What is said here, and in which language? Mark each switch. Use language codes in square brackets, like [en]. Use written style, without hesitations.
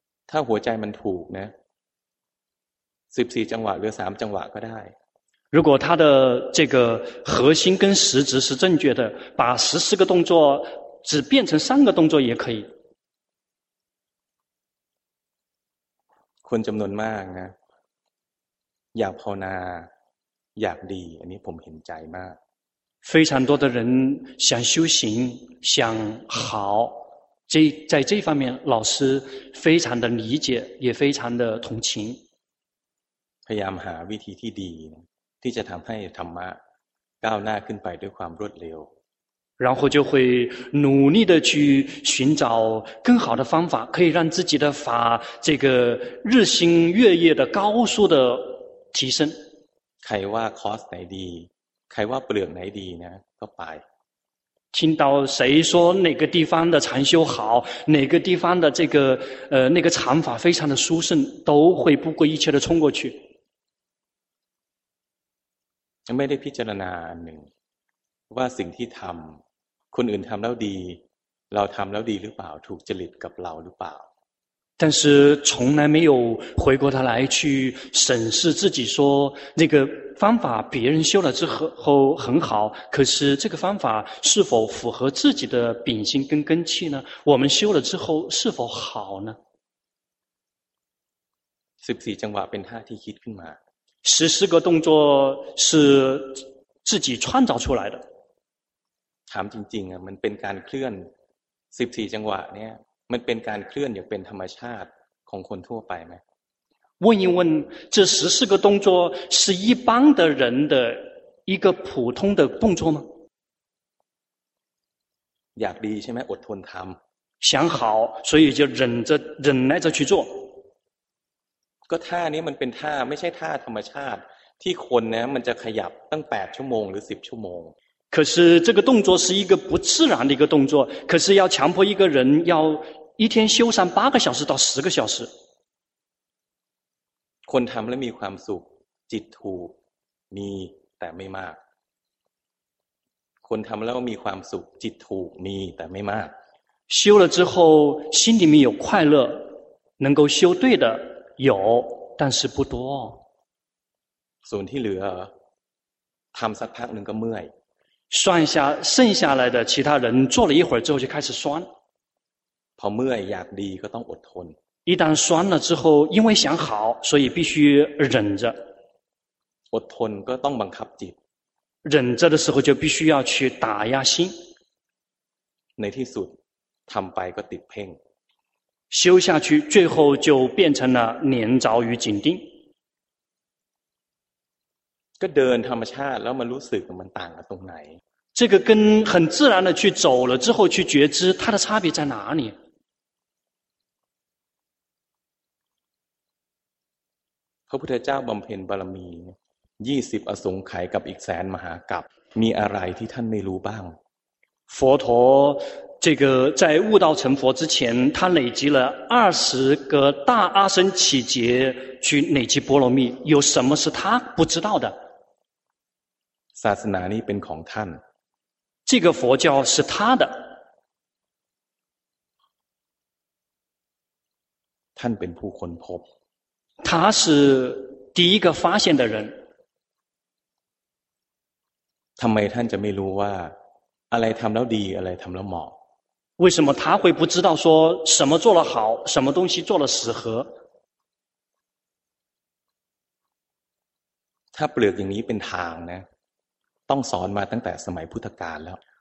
[th] ถ้าหัวใจมันถูกนะ14จังหวะหรือ3จังหวะก็ได้ [zh] 如果他的这个核心跟实质是正确的把14个动作只变成3个动作也可以 [th] คนจำนวนมากนะอยากภาวนา อยากดีอันนี้ผมเห็นใจมาก [zh] 非常多的人想修行想好这在这方面老师非常的理解也非常的同情 [th] พยายามหาวิธีที่ดีที่จะทำให้ธรรมะก้าวหน้าขึ้นไปด้วยความรวดเร็ว [zh] 然后就会努力的去寻找更好的方法可以让自己的法这个日新月异的高速的提升 [th] ใครว่าคอร์สไหนดีใครว่าเปลือกไหนดีนะก็ไป [zh] 听到谁说哪个地方的禅修好哪个地方的这个那个禅法非常的殊胜都会不顾一切的冲过去 [th] ไม่ได้พิจารณาหนึ่งว่าสิ่งที่ทำคนอื่นทำแล้วดีเราทำแล้วดีหรือเปล่าถูกจริตกับเราหรือเปล่า [zh] 但是从来没有回过头来去审视自己说那个方法别人修了之后很好可是这个方法是否符合自己的秉性跟根器呢我们修了之后是否好呢 [th] 14จังหวะเป็น5ที่คิดขึ้นมา [zh] 14个动作是自己创造出来的 [th] ถามจริงๆอ่ะมันเป็นการเคลื่อน14จังหวะเนี่ยมันเป็นการเคลื่อนอย่างเป็นธรรมชาติของคนทั่วไปมั้ย [zh] 问一问这14个动作是一般的人的一个普通的动作吗 [th] อยากดีใช่มั้ยอดทนทำ [zh] 想好所以就忍着忍耐着去做 [th] ก็ท่านี้มันเป็นท่าไม่ใช่ท่าธรรมชาติที่คนนะมันจะขยับตั้ง8ชั่วโมงหรือ10ชั่วโมง [zh] 可是这个动作是一个不自然的一个动作可是要强迫一个人要一天修上8个小时到10个小时 [th] คนทำแล้วมีความสุขจิตถูกมีแต่ไม่มากคนทำแล้วมีความสุขจิตถูกมีแต่ไม่มาก [zh] 修了之后心里面有快乐能够修对的有但是不多 [th] ส่วนที่เหลือทำสักพักหนึ่งก็เมื่อย [zh] 算下剩下来的其他人做了一会儿之后就开始酸 [th] พอเมื่อยอยากดีก็ต้องอดทน [zh] 一旦酸了之后因为想好所以必须忍着 [th] อดทนก็ต้องบังคับจิต [zh] 忍着的时候就必须要去打压心 [th] ในที่สุดทำไปก็ติดเพ่ง [zh] 修下去最后就变成了黏着与紧盯 [th] ก็เดินธรรมชาติแล้วมันรู้สึกมันต่างกันตรงไหน [zh] 这个跟很自然的去走了之后去觉知它的差别在哪里 [th] พระพุทธเจ้าบำเพ็ญบารมี20อสงไขยกับอีกแสนมหากัปมีอะไรที่ท่านไม่รู้บ้าง [zh] 佛陀这个在悟道成佛之前他累积了20个大阿僧祇劫去累积波罗蜜有什么是他不知道的 [th] ศาสนานี้เป็นของท่าน [zh] 这个佛教是他的 [th] ท่านเป็นผู้ค้นพบ [zh] 他是第一个发现的人 [th] ทำไมท่านจะไม่รู้ว่าอะไรทำแล้วดีอะไรทำแล้วเหมาะ [zh] 为什么他会不知道说什么做了好什么东西做了适合 [th] ถ้าเปลือกอย่างนี้เป็นทางนะต้องสอนมาตั้งแต่สมัยพุทธกาลแล้ว